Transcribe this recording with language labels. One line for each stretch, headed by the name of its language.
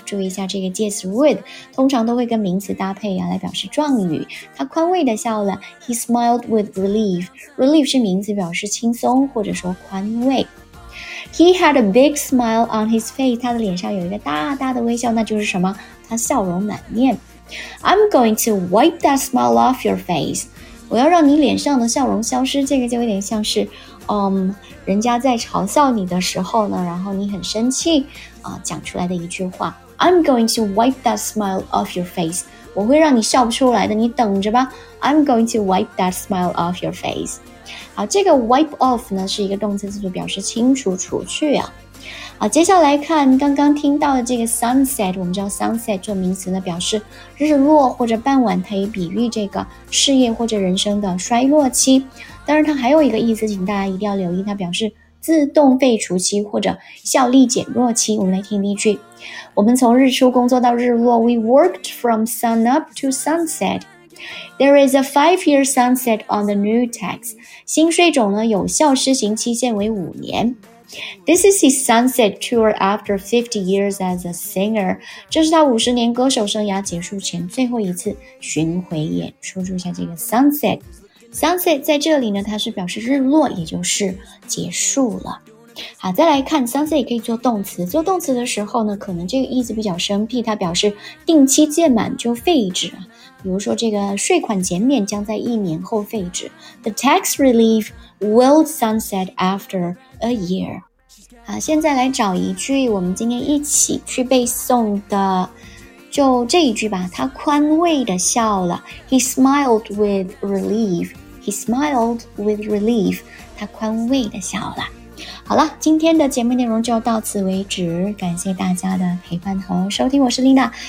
Chinese: 注意一下这个介词 with, 通常都会跟名词搭配啊，来表示状语。他宽慰地笑了 ，
English: He smiled with relief.
Chinese: Relief 是名词，表示轻松或者说宽慰。
English: He had a big smile on his face.
Chinese: 他的脸上有一个大大的微笑，那就是什么？他笑容满面。
English: I'm going to wipe that smile off your face.
Chinese: 我要让你脸上的笑容消失，这个就有点像是人家在嘲笑你的时候呢，然后你很生气讲出来的一句话。
English: I'm going to wipe that smile off your face.
Chinese: 我会让你笑不出来的，你等着吧。
English: I'm going to wipe that smile off your face.
Chinese: 好，这个 wipe off 呢是一个动词，字组表示清除、除去啊。好，接下来看刚刚听到的这个 sunset, 我们知道 sunset 做名词呢表示日落或者傍晚，它也比喻这个事业或者人生的衰落期。当然它还有一个意思，请大家一定要留意，它表示自动废除期或者效力减弱期。我们来听一句，我们从日出工作到日落。
English: We worked from sun up to sunset. There is a 5-year sunset on the new tax.
Chinese: 新税种呢有效施行期限为5年。
English: This is his sunset tour after 50 years as a singer.
Chinese: 这是他50年歌手生涯结束前最后一次巡回演出。注意一下这个 sunset. Sunset 在这里呢，它是表示日落，也就是结束了。好，再来看 sunset 也可以做动词。做动词的时候呢，可能这个意思比较生僻，它表示定期届满就废止。比如说这个税款减免将在1年后废止。
English: The tax relief will sunset after a year.
Chinese: 好，现在来找一句我们今天一起去背诵的，就这一句吧。他宽慰地笑了。
English: He smiled with relief. He smiled with relief.
Chinese: 他宽慰地笑了。好了，今天的节目内容就到此为止，感谢大家的陪伴和收听，我是 Lina。